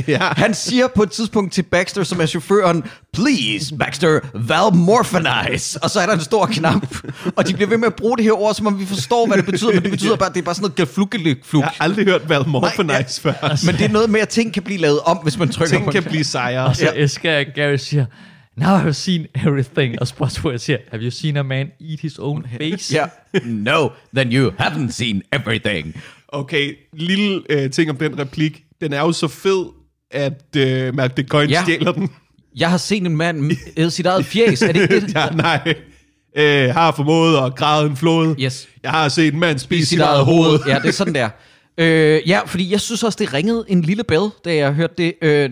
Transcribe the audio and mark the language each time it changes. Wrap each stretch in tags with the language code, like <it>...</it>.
<da>Ja. Han siger på et tidspunkt til Baxter, som er chaufføren, please, Baxter, valmorphinize. Og så er der en stor knap, og de bliver ved med at bruge det her ord, som om vi forstår, hvad det betyder, men det betyder bare, at det er bare sådan noget gaflukkelig-fluk. Jeg har aldrig hørt valmorphinize før. Men det er noget med, at ting kan blive lavet om, hvis man trykker ting på. Ting kan blive sejere. Og så elsker jeg, at Gary siger,</da> <en>now I've seen everything.</en> <da>Og Spotswood siger,</da> <en>have you seen a man eat his own face? Yeah. No, then you haven't seen everything.</en> <da>Okay, lille ting om den replik. den er jo så fed, at Matt DeCoyne stjæler den. Jeg har set en mand æde sit eget fjæs, er det ikke det? Ja, nej. Har formået at græde en flod.</da> <en>Yes.</en> <da>Jeg har set en mand spise sit eget hoved. Ja, det er sådan der. Ja, fordi jeg synes også, det ringede en lille bell, da jeg hørte det.</da>